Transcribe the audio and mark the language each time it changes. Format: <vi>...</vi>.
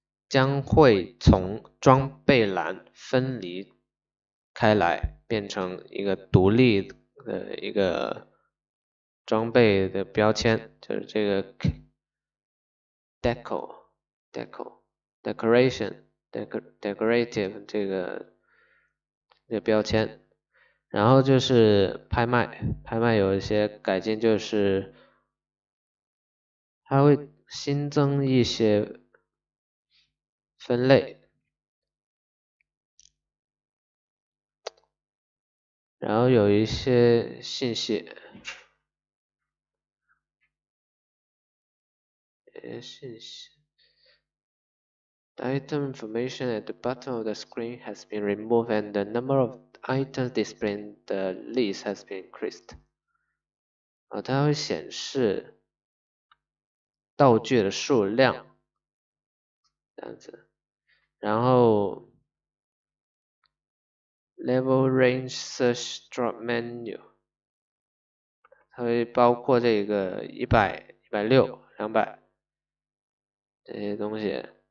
<zh>将会从装备栏分离开来，变成一个独立的一个装备的标签，就是这个 decorative 这个标签。然后就是拍卖有一些改进，就是它会新增一些。分类，然后有一些信息，</zh> <en>The item information at the bottom of the screen has been removed and the number of items displayed in the list has been increased。</en> <zh>啊，它会显示道具的数量，这样子。然后，</zh> <en>level range search drop menu，</en> <zh>它会包括这个100、160、200这些东西。</zh>